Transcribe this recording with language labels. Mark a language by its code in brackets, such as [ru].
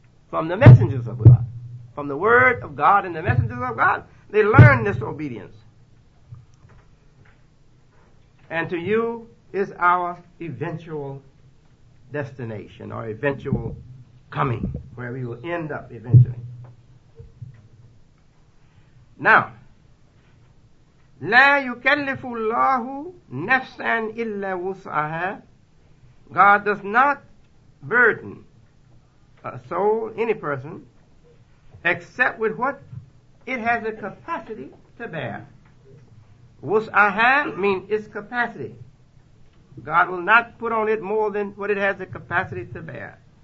[en] From the messengers of God. From the word of God and the messengers of God. They learn this obedience. And to you is our eventual destination. Our eventual coming. Where we will end up eventually. Now. [ar] لا يكلف الله نفسا إلا وسعها. [en] God does not burden a soul, any person, except with what it has the capacity to bear. Wus'aha means its capacity. God will not put on it more than what it has the capacity to bear.